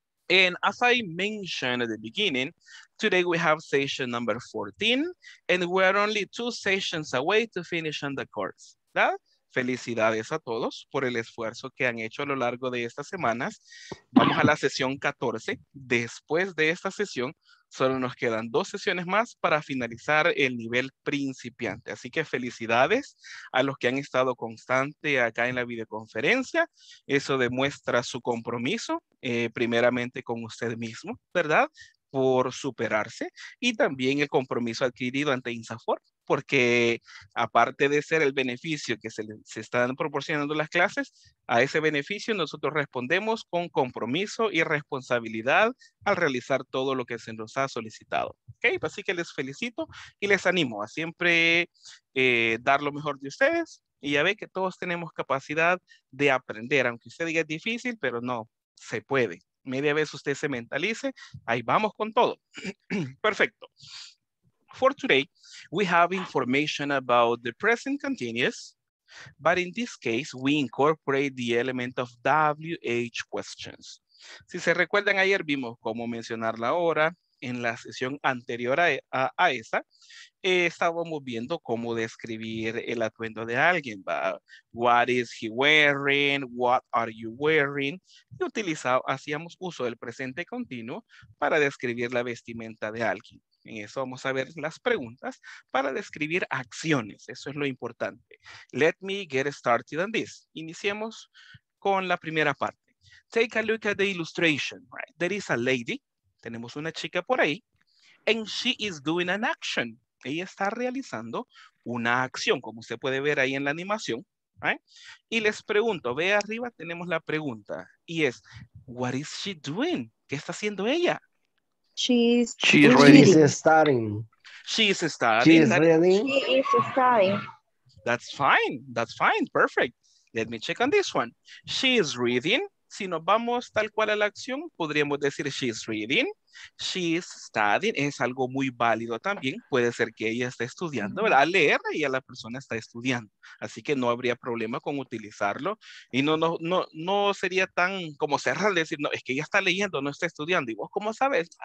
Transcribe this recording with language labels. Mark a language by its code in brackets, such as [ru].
[en] And as I mentioned at the beginning, today we have session number 14 and we're only 2 sessions away to finish on the course. [es] ¿Verdad? Felicidades a todos por el esfuerzo que han hecho a lo largo de estas semanas. Vamos a la sesión 14. Después de esta sesión, solo nos quedan 2 sesiones más para finalizar el nivel principiante. Así que felicidades a los que han estado constante acá en la videoconferencia. Eso demuestra su compromiso, primeramente con usted mismo, ¿verdad? Por superarse y también el compromiso adquirido ante INSAFOR. Porque aparte de ser el beneficio que se están proporcionando las clases, a ese beneficio nosotros respondemos con compromiso y responsabilidad al realizar todo lo que se nos ha solicitado. ¿Okay? Así que les felicito y les animo a siempre dar lo mejor de ustedes. Y ya ve que todos tenemos capacidad de aprender, aunque usted diga es difícil, pero no, se puede. Media vez usted se mentalice, ahí vamos con todo. Perfecto. [en] For today, we have information about the present continuous, but in this case, we incorporate the element of WH questions. [es] Si se recuerdan, ayer vimos cómo mencionar la hora en la sesión anterior a esa. Estábamos viendo cómo describir el atuendo de alguien. [en] What is he wearing? What are you wearing? [es] Y hacíamos uso del presente continuo para describir la vestimenta de alguien. En eso vamos a ver las preguntas para describir acciones. Eso es lo importante. [en] Let me get started on this. [es] Iniciemos con la primera parte. [en] Take a look at the illustration, right? There is a lady. [es] Tenemos una chica por ahí. [en] And she is doing an action. [es] Ella está realizando una acción, como usted puede ver ahí en la animación, right? Y les pregunto, ve arriba, tenemos la pregunta. Y es, [en] what is she doing? [es] ¿Qué está haciendo ella? [en] She is reading. That's fine. Perfect. Let me check on this one. She is reading. [es] Si nos vamos tal cual a la acción, podríamos decir [en] she's reading, she's studying. [es] Es algo muy válido también. Puede ser que ella esté estudiando, ¿verdad? A leer, y a la persona está estudiando. Así que no habría problema con utilizarlo. Y no sería tan como cerrar, decir, no, es que ella está leyendo, no está estudiando. Y vos, ¿cómo sabes?